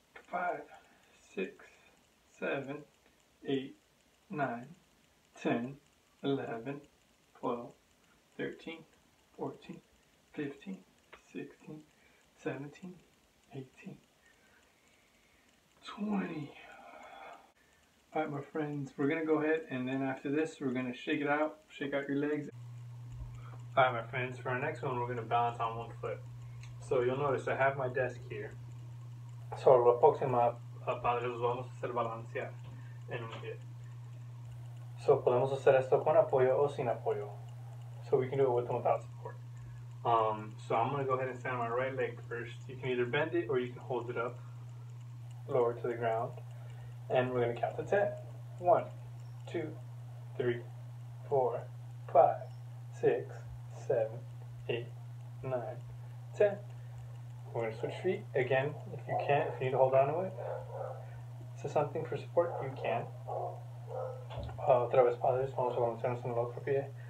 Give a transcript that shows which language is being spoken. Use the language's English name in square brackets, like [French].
[English] 5, 6, 7, 8, 9, 10, 11, 12, 13, 14, 15, 16, 17, 18, 20. All right, my friends, we're going to go ahead, and then after this, we're going to shake it out, shake out your legs. All right, my friends, for our next one, we're going to balance on one foot. So you'll notice I have my desk here. [Spanish] So la próxima para los vamos a hacer balancear en un pie. So podemos hacer esto con apoyo o sin apoyo. [English] So we can do it with and without support. So I'm going to go ahead and stand on my right leg first. You can either bend it or you can hold it up lower to the ground. And we're going to count to 10. 1, 2, 3, 4, 5, 6, 7, 8, 9, 10. We're going to switch feet. Again, if you can't, if you need to hold on to it, to something for support, you can. [Spanish] Otra vez, padres, vamos a balancearnos en el otro pie.